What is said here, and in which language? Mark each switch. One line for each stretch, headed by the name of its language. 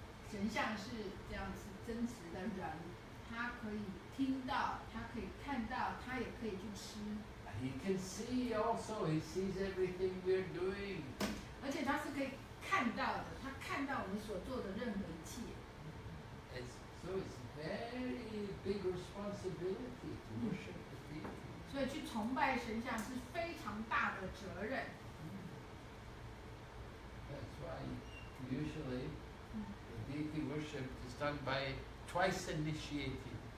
Chinese: 神像是这样子真实的人，他可以听到，他可以看到，他也可以去吃。
English: He can see also. He sees everything we're doing.
Chinese: 而且他是可以。看到的，他看到我们所做的任何一切。
English: So it's very big responsibility to worship the deity.
Chinese: 所以去崇拜神像是非常大的责任。
English: That's why usually the deity worship is done by twice initiated.